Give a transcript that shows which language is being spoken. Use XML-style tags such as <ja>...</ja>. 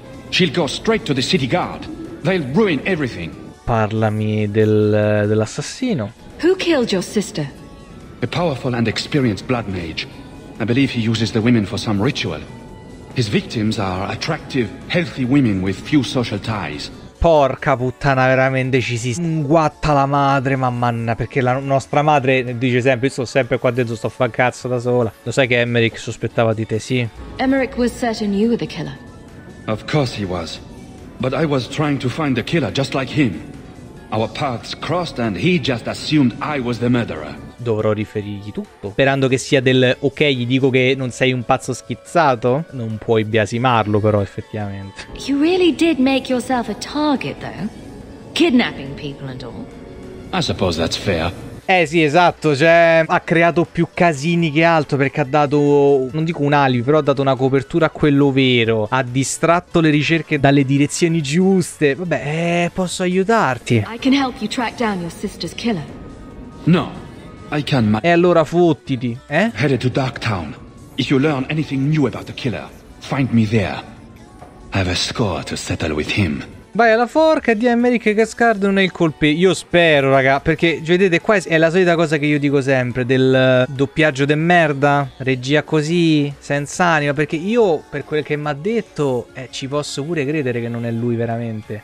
<en>She'll go straight to the city guard. They'll ruin everything.</en> <it>Parlami dell'assassino.</it> <en>Who killed your sister? A powerful and experienced blood mage. I believe he uses the women for some ritual. His victims are attractive, healthy women with few social ties.</en> <it>Porca puttana, veramente ci si sguatta la madre, mamma, perché la nostra madre dice sempre, io sto sempre qua dentro, sto a fa cazzo da sola. Lo sai che Emmerich sospettava di te, sì?</it> <en>Emmerich was certain you were the killer. Of course he was. But I was trying to find the killer just like him. Our paths crossed and he just assumed I was the murderer.</en> <it>Dovrò riferirgli tutto. Sperando che sia del ok, gli dico che non sei un pazzo schizzato. Non puoi biasimarlo, però, effettivamente.</it> <en>You really did make yourself a target, though. Kidnapping people and all. I suppose that's fair.</en> <it>Sì, esatto, cioè ha creato più casini che altro, perché ha dato, non dico un alibi, però ha dato una copertura a quello vero. Ha distratto le ricerche dalle direzioni giuste. Vabbè, posso aiutarti.</it> <en>I can help you track down your sister's killer. No, I can.</en> <it>E allora fottiti, eh?</it> <en>Headed to Darktown. If you learn anything new about the killer, find me there. I have a score to settle with him.</en> <it>Vai alla forca di America Cascardo, non è il colpe. Io spero, raga, perché vedete qua è la solita cosa che io dico sempre del doppiaggio de merda, regia così, senza anima, perché io per quel che mi ha detto ci posso pure credere che non è lui veramente.</it>